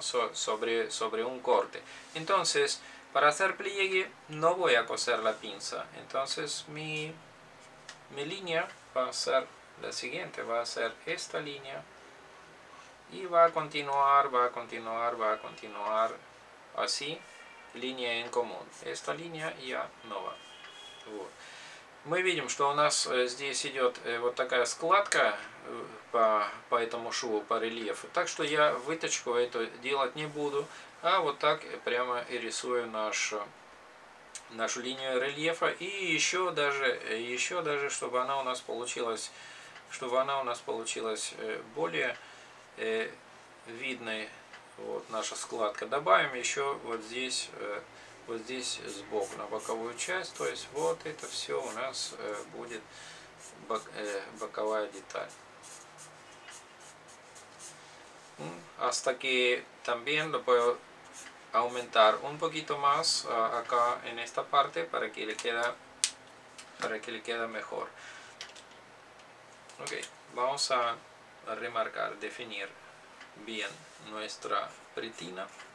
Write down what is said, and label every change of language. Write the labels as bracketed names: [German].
[Spanish] sobre un corte. Entonces, para hacer pliegue no voy a coser la pinza. Entonces mi línea va a ser la siguiente, va a ser esta línea y va a continuar así, línea en común. Esta línea ya no va. Вот. [Russian] Мы видим, что у нас здесь идет вот такая складка по этому шву, по рельефу. Так что я выточку эту делать не буду, а вот так прямо и рисую нашу линию рельефа. И еще даже, чтобы она у нас получилась более видной, вот наша складка, добавим еще вот здесь. Вот здесь сбоку, на боковую часть, то есть вот это все у нас будет боковая деталь. [Spanish] Hasta que también lo puedo aumentar un poquito más acá en esta parte para que le quede mejor. Ok, vamos a remarcar, definir bien nuestra pretina.